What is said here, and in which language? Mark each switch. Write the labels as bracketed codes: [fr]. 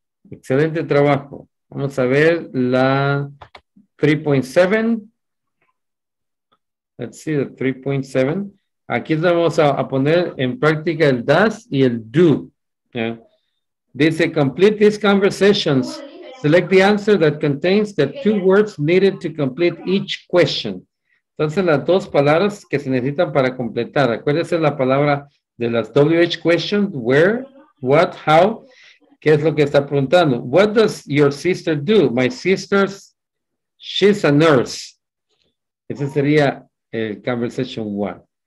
[es] Excelente trabajo. Vamos a ver la 3.7. [en] Let's see the 3.7. [es] Aquí vamos a poner en práctica el does y el do. [en] Yeah. [es] Dice, [en] complete these conversations. Select the answer that contains the two words needed to complete each question. [es] Entonces, las dos palabras que se necesitan para completar. Acuérdese la palabra de las WH questions. Where, what, how. ¿Qué es lo que está preguntando? [en] What does your sister do? My sister, she's a nurse. [es] Ese sería el conversation one.